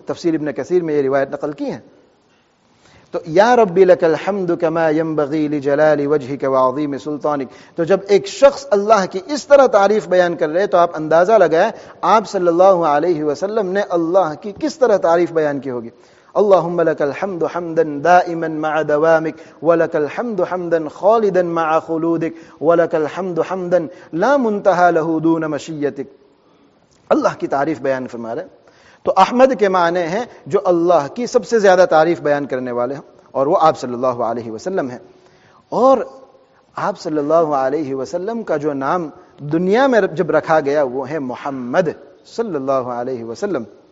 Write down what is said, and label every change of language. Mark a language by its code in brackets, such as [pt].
[ur] تفسیر ابن کثیر میں یہ روایت نقل کی ہے. تو [ar] یا ربی لک الحمد کما ینبغی لجلال وجہک وعظیم سلطانک، [ur] تو جب ایک شخص اللہ کی اس طرح تعریف بیان کر رہے تو آپ اندازہ لگائے آپ صلی اللہ علیہ وسلم نے اللہ کی کس طرح تعریف بیان کی ہوگی. [ar] اللهم لك الحمد حمدا دائما مع دوامك، ولك الحمد حمدا خالدا مع خلودك، ولك الحمد حمدا لا منتهى له دون مشيتك. [ur] اللہ کی تعریف بیان فرما رہے ہیں. تو احمد کے معنی ہیں جو اللہ کی سب سے زیادہ تعریف بیان کرنے والے ہیں، اور وہ آپ صلی اللہ علیہ وسلم ہیں. اور آپ صلی اللہ علیہ وسلم کا جو نام دنیا میں جب رکھا گیا وہ ہے محمد صلی اللہ علیہ وسلم.